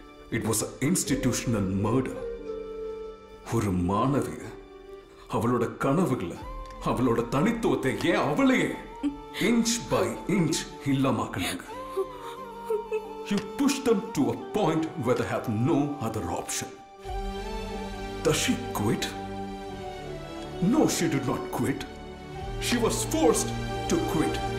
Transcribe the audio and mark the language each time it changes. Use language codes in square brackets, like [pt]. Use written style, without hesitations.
[en] It was an institutional murder. [ta] ஒரு மாணவி அவளோட கனவுகளை அவளோட தனித்துவத்தை ஏன் அவளையே [en] inch by inch [ta] இல்லாமாக்கினாங்க. [en] You push them to a point where they have no other option. Does she quit? No, she did not quit. She was forced to quit.